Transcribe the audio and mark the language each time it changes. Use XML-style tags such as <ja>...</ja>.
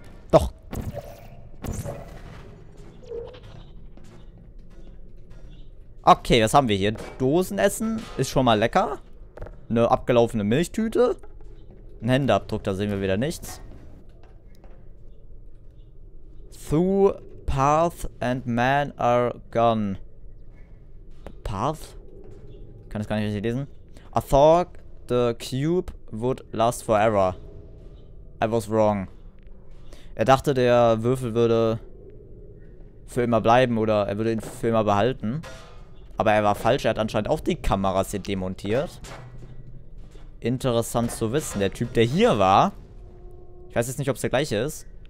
<de>Doch. Okay, was haben wir hier? Dosenessen ist schon mal lecker. Eine abgelaufene Milchtüte. Ein Händeabdruck, da sehen wir wieder nichts.</de> <en>Through path and man are gone. Path?</en> <de>Kann das gar nicht richtig lesen.</de> <en>I thought the cube would last forever. I was wrong.</en> <de>Er dachte, der Würfel würde für immer bleiben oder er würde ihn für immer behalten. Aber er war falsch, er hat anscheinend auch die Kameras hier demontiert. Interessant zu wissen. Der Typ, der hier war, ich weiß jetzt nicht, ob es der gleiche ist.</de>